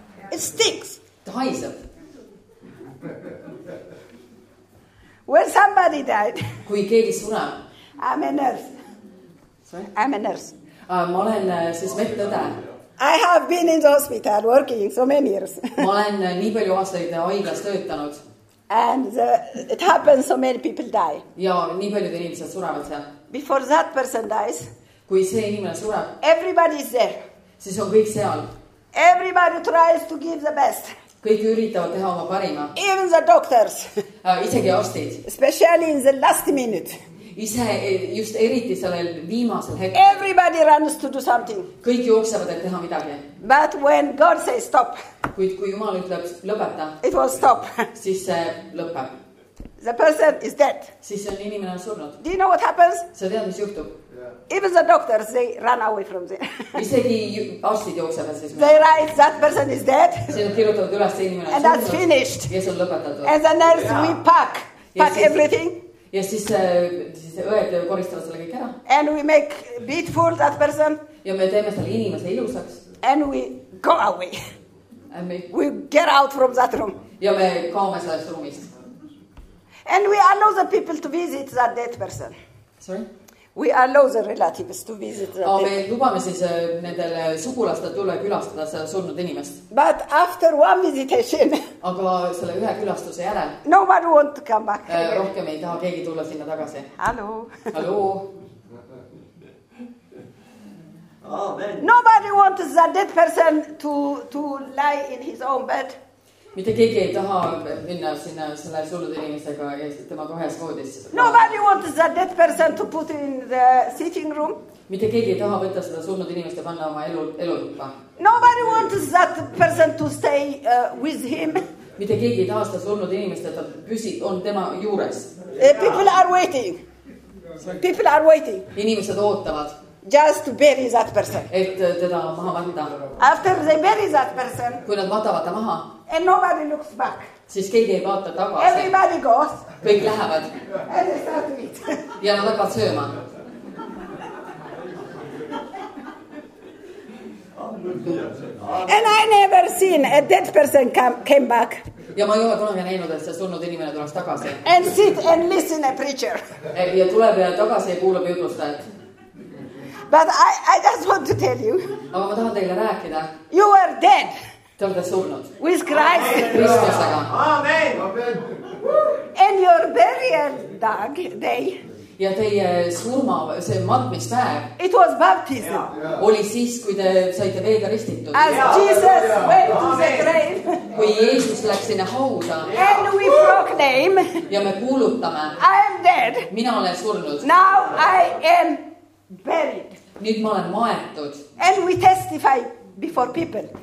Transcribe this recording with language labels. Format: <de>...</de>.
<en>It stinks.</en> <et>Ta haisab.</et> <en>When somebody died.</en> <et>Kui keegi sureb.</et> <en>I'm a nurse. I'm a nurse.</en> <et>Ma olen siis medõde.</et> <en>I have been in the hospital working so many years.</en> <et>Ma olen nii palju aastaid haiglas töötanud.</et> <en>And it happens so many people die.</en> <et>Ja nii palju inimesed surevad seal.</et> <en>Before that person dies.</en> <et>Kui see inimene sureb.</et> <en>Everybody is there.</en> <et>Siis on kõik seal.</et> <en>Everybody tries to give the best.</en> <et>Kõik üritavad teha oma parima.</et> <en>Even the doctors.</en> <et>Isegi arstid.</et> <en>Especially in the last minute.</en> <et>Ise just eriti sellel viimasel hetkel.</et> <en>Everybody runs to do something.</en> <et>Kõik jooksevad, et teha midagi.</et> <en>But when God says stop.</en> <et>Kui Jumal ütleb lõpeta.</et> <en>It will stop.</en> <et>Siis see lõpeb.</et> <en>The person is dead.</en> <et>Siis on inimene surnud.</et> <en>Do you know what happens?</en> <et>Sa tead, mis juhtub.</et> <en>Even the doctors, they run away from there.</en> <et>Isegi arstid jooksevad siis.</et> <en>They write, that person is dead.</en> <et>See on kirjutatud üles, see inimene on surnud.</et> <en>And that's finished.</en> <et>Ja see on lõpetatud.</et> <en>And the nurse, yeah. We pack</en> <et>siis,</et> <en>everything.</en> <et>Ja siis õed koristavad selle kõik ära.</et> <en>And we make beautiful that person.</en> <et>Ja me teeme selle inimese ilusaks.</et> <en>And we go away. And we get out from that room.</en> <et>Ja me kaome sellest ruumist.</et> <en>And we allow the people to visit that dead person. Sorry? We allow the relatives to visit the dead.</en> <et>Me lubame siis nendel sugulastel tulla külastada seda surnud inimest.</et> <en>But after one visitation.</en> <et>Aga selle ühe külastuse järel.</et> <en>No one want to come back.</en> <et>Rohkem ei taha keegi tulla sinna tagasi. Hallo. Hallo. Amen.</et> <en>Nobody wants the dead person to lie in his own bed.</en> <et>Mitte keegi ei taha minna sinna selle surnud inimesega ja tema kahes voodis.</et> <en>Nobody wants the dead person to put in the sitting room.</en> <et>Mitte keegi ei taha võtta seda surnud inimest ja panna oma elutuppa.</et> <en>Nobody wants that person to stay with him.</en> <et>Mitte keegi ei taha seda surnud inimest, et ta püsib, on tema juures.</et> <en>People are waiting. People are waiting.</en> <et>Inimesed ootavad.</et> <en>Just to bury that person.</en> <et>Et teda maha vanda.</et> <en>After they bury that person.</en> <et>Kui nad vatavad ta maha.</et> <en>And nobody looks back.</en> <et>Siis keegi ei vaata tagasi.</et> <en>Everybody goes.</en> <et>Kõik lähevad.</et> <en>And they start to eat.</en> <et>Ja nad hakkavad sööma.</et> <en>And I never seen a dead person came back.</en> <et>Ja ma ei ole kunagi näinud, et see surnud inimene tuleks tagasi.</et> <en>And sit and listen a preacher.</en> <et>Ja tuleb ja tagasi ja kuulab jutlustajat.</et> <en>But I just want to tell you.</en> <et>Aga ma tahan teile rääkida.</et> <en>You are dead.</en> <et>Te olete surnud.</et> <en>With Christ.</en> <et>Kristusega. Amen.</et> <en>And your burial day.</en> <et>Ja teie surma, see matmispäev.</et> <en>It was baptism.</en> <et>Oli siis, kui te saite veega ristitud.</et> <en>As Jesus went to the grave.</en> <et>Kui Jeesus läks sinna hauda.</et> <en>And we proclaim.</en> <et>Ja me kuulutame.</et> <en>I am dead.</en> <et>Mina olen surnud.</et> <en>Now I am buried.</en> <et>Nüüd ma olen maetud.</et> <en>And we testify before people.</en>